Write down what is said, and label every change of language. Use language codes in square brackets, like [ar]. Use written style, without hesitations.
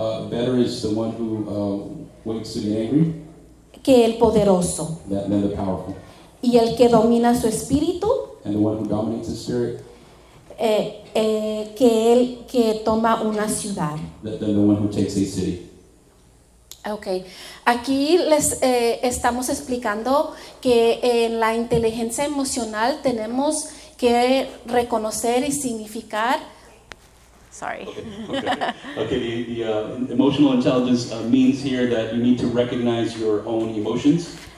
[en] Better is the one who waits to be angry. [es] Que el poderoso. [en] Than the powerful. [es] Y el que domina su espíritu. [en] And the one who dominates his spirit. [es] Que él que toma una ciudad. [en] The one who takes a city. Okay. [es] Aquí les estamos explicando que en la inteligencia emocional tenemos que reconocer y significar. [en] Sorry. Okay. The emotional intelligence means here that you need to recognize your own emotions.